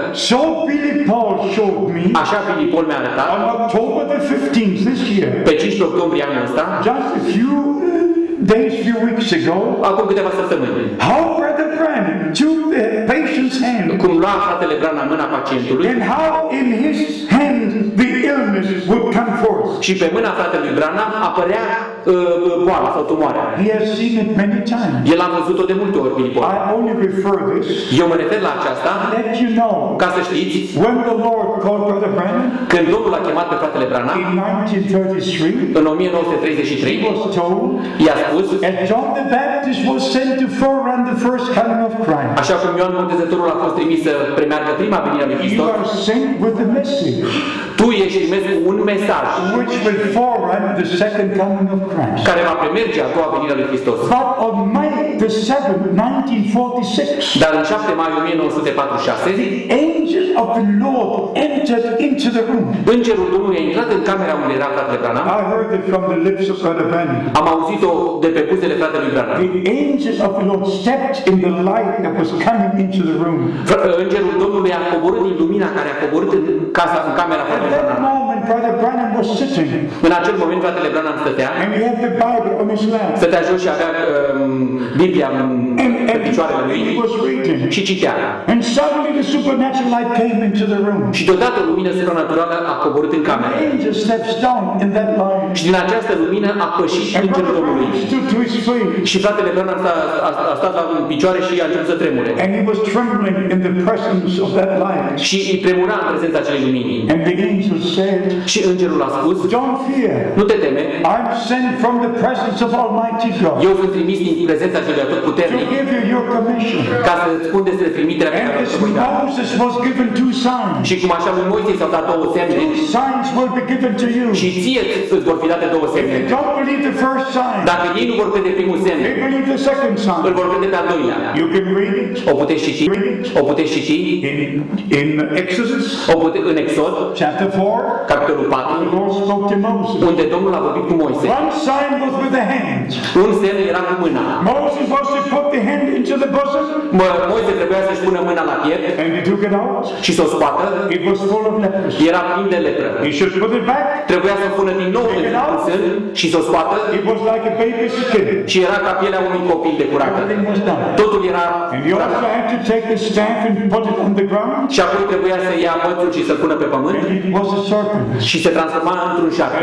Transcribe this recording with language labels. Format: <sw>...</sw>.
<en>So Billy Paul showed me.</en> <ro>Așa Billy Paul mi-a arătat.</ro> <en>On October the 15th this year.</en> <ro>Pe 15 octombrie anul ăsta.</ro> <en>Just a few days, few weeks ago.</en> <ro>Acum câteva săptămâni.</ro> <en>How Brother Branham took the patient's hand.</en> <ro>Cum lua fratele Branham mâna pacientului.</ro> <en>And how in his hand the illness would come forth.</en> <ro>Și pe mâna fratelui Branham apărea boala sau tumoarea.</ro> <en>He has seen it many times.</en> <ro>El a văzut-o de multe ori, Billy Paul.</ro> <en>I only refer this.</en> <ro>Eu mă refer la aceasta.</ro> <en>Let you know.</en> <ro>Ca să știți.</ro> <en>When the Lord called Brother Branham.</en> <ro>Când Domnul l-a chemat pe fratele Branham.</ro> <en>In 1933.</en> <ro>În 1933.</ro> <en>He was told.</en> <ro>I-a spus.</ro> <en>And John the Baptist was sent to forerun the first coming of Christ.</en> <ro>Așa cum Ioan Botezătorul a fost trimis să premeargă prima venire a lui Hristos.</ro> <en>You are sent with the message.</en> <ro>Tu ești trimis cu un mesaj.</ro> <en>Which will forerun the second coming of Christ.</en> <ro>Care va premerge a doua venire a lui Hristos.</ro> <en>But on May the 7th, 1946.</en> <ro>Dar în 7 mai 1946.</ro> <en>The angel of the Lord entered into the room.</en> <ro>Îngerul Domnului a intrat în camera unde era fratele Branham.</ro> <en>I heard it from the lips of Brother Branham.</en> <ro>Am auzit-o de pe buzele fratelui Branham.</ro> <en>The angel of the Lord stepped in the light that was coming into the room.</en> <ro>Îngerul Domnului a coborât din lumina care a coborât în casa, în camera frate. În acel moment fratele Branham stătea.</ro> <en>And he had the Bible on his lap.</en> <ro>Stătea jos și avea Biblia pe picioarele lui.</ro> <en>He was reading.</en> <ro>Și citea.</ro> <en>And suddenly the supernatural light came into the room.</en> <ro>Și deodată lumina supranaturală a coborât în cameră.</ro> <en>And the angel steps down in that light.</en> <ro>Și din această lumină a pășit Îngerul Domnului. Și fratele Branham a stat la picioare și a început să tremure.</ro> <en>And he was trembling in the presence of that light.</en> <ro>Și tremura în prezența acelei lumini.</ro> <en>And the angel said,</en> <ro>și îngerul a spus,</ro> <en>don't fear.</en> <ro>Nu te teme.</ro> <en>I'm sent from the presence of Almighty God.</en> <ro>Eu sunt trimis din prezența celui atotputernic.</ro> <en>To give you your commission.</en> <ro>Ca să îți spun despre trimiterea pe care o primi.</ro> <en>Moses was given two signs.</en> <ro>Și cum așa lui Moise s-au dat două semne.</ro> <en>Signs will be given to you.</en> <ro>Și ție îți vor fi date două semne.</ro> <en>Don't believe the first sign.</en> <ro>Dacă ei nu vor crede primul semn,</ro> <en>they believe the second sign.</en> <ro>Îl vor crede pe al doilea.</ro> <en>You can read it.</en> <ro>O puteți citi.</ro> <en>Read it.</en> <ro>O puteți citi.</ro> <en>In Exodus.</en> <ro>O puteți în Exod.</ro> <en>Chapter 4.</en> <ro>Capitolul 4.</ro> <en>The Lord spoke to Moses.</en> <ro>Unde Domnul a vorbit cu Moise.</ro> <en>One sign was with the hand.</en> <ro>Un semn era cu mâna.</ro> <en>Moses was to put the hand into the bosom.</en> <ro>Moise trebuia să-și pună mâna la piept.</ro> <en>And he took it out.</en> <ro>Și s-o scoată.</ro> <en>It was full of leprosy.</en> <ro>Era plin de lepră.</ro> <en>He should put it back.</en> <ro>Trebuia să pună din nou în sân și s-o scoată.</ro> <en>It was like a baby skin.</en> <ro>Și era ca pielea unui copil de curată. Totul era.</ro> <en>And he also had to take the staff and put it on the ground.</en> <ro>Și apoi trebuia să ia mătul și să-l pună pe pământ.</ro> <en>And it was a serpent.</en> <ro>Și se transforma într-un șarpe.</ro>